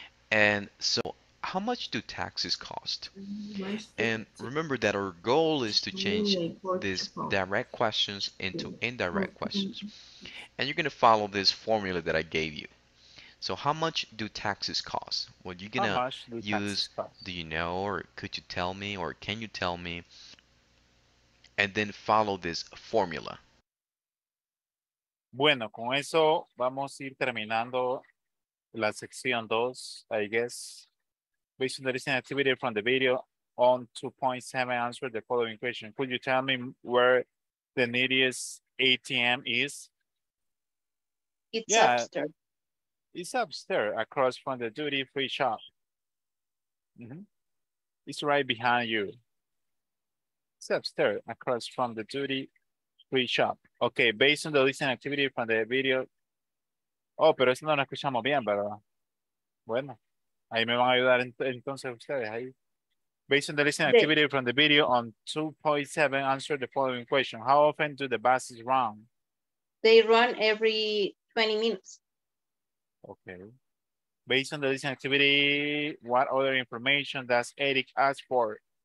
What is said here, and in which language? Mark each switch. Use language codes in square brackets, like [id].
[en] And so how much do taxes cost? And remember that our goal is to change these direct questions into indirect questions. And you're going to follow this formula that I gave you. So how much do taxes cost? Well, you're going to use, do you know, or could you tell me, or can you tell me? And then follow this formula. [es] Bueno, con eso vamos a ir terminando la sección 2, [en] I guess. Based on the recent activity from the video on 2.7, answer the following question. Could you tell me where the nearest ATM is? It's upstairs. It's upstairs, across from the duty-free shop. Mm-hmm. It's right behind you. It's upstairs, across from the duty-free shop. Okay, based on the listening activity from the video. [es] Oh, pero eso no lo escuchamos bien, ¿verdad? Bueno, ahí me van a ayudar entonces ustedes ahí. [en] Based on the listening activity from the video on 2.7, answer the following question. How often do the buses run? They run every 20 minutes. Okay. Based on the listening activity, what other information does Eric ask for?